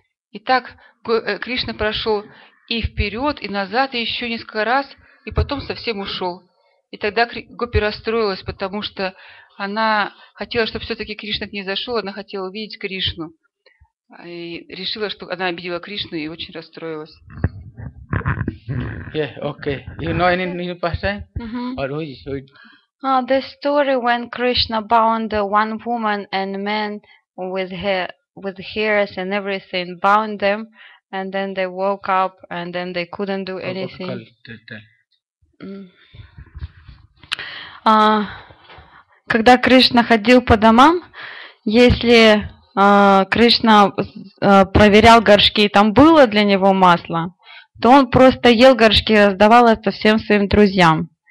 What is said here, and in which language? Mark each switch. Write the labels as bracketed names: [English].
[Russian] И так Кришна прошел и вперед, и назад, и еще несколько раз, и потом совсем ушел. И тогда гопи расстроилась, потому что она хотела, чтобы все-таки Кришна к ней зашел, она хотела увидеть Кришну. И решила, что она обидела Кришну, и очень расстроилась. [English] Yeah, okay. You know any new pastime? This story when Krishna bound one woman and man with hairs and everything, bound them, and then they woke up and then they couldn't do anything. [Russian] Когда Кришна ходил по домам, если Кришна проверял горшки, и там было для него масло, то он просто ел горшки и раздавал это всем своим друзьям.